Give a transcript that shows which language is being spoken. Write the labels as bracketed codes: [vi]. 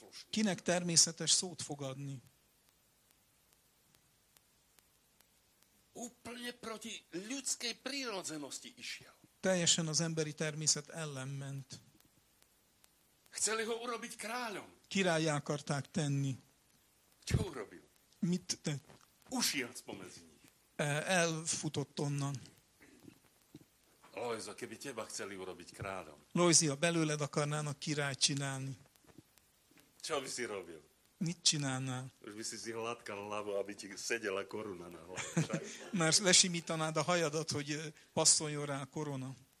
[hu] Kinek természetes szót fogadni? [sk] Úplne proti ľudskej prírodzenosti išiel. [hu] Teljesen az emberi természet ellen ment. [sk] Chceli ho urobiť kráľom. [hu] Királlyá akarták tenni. [sk] Čo urobil? [hu] Mit tett? [sk] Ušiel spomezi nich. [hu] Elfutott onnan. [sk] Lojzo, keby teba chceli urobiť kráľom. [hu] Lojzia, belőled akarnának királyt csinálni. [sk] Čo by si robil? [hu] Mit csinálnál? [sk] Už by si si hladkal hlavu, aby ti sedela koruna na hlavu. [hu] Már lesimítanád a hajadat, hogy passzoljon rá a korona.